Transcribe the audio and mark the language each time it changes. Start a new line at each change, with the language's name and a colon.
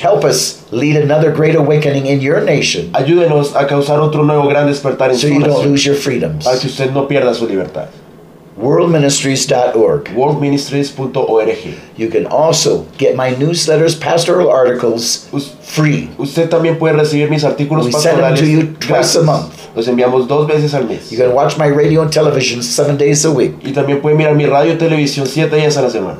English: Help us lead another great awakening in your nation.
Spanish: Ayúdenos a causar otro nuevo gran despertar en su nación.
English: So you don't lose your freedoms.
Spanish: Para que usted no pierda su libertad.
English: WorldMinistries.org. WorldMinistries.org. You can also get my newsletters, pastoral articles, free.
Spanish: Usted también puede recibir mis artículos pastorales.
English: We send them to you twice a month.
Spanish: Los enviamos dos veces al mes.
English: You can watch my radio and television 7 days a week.
Spanish: Y también puede mirar mi radio y televisión 7 días a la semana.